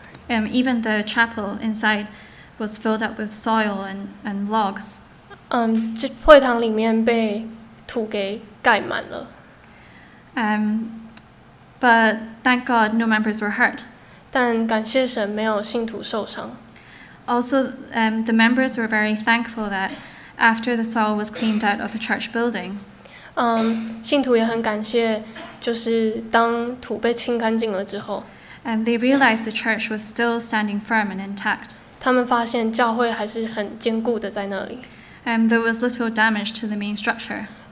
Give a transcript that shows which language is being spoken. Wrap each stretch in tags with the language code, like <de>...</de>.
<en>Even the chapel inside was filled up with soil and logs.</en> <zh>会堂里面被土给盖满了。</zh> <en>But thank God, no members were hurt.</en> <zh>但感谢神，没有信徒受伤。</zh> <en>Also, the members were very thankful that after the soil was cleaned out of the church building.</en> <zh>信徒也很感谢，就是当土被清干净了之后。</zh> <en>They realized the church was still standing firm and intact.</en> <zh>他们发现教会还是很坚固的在那里。</zh> <en>And there was little damage to the main structure.</en>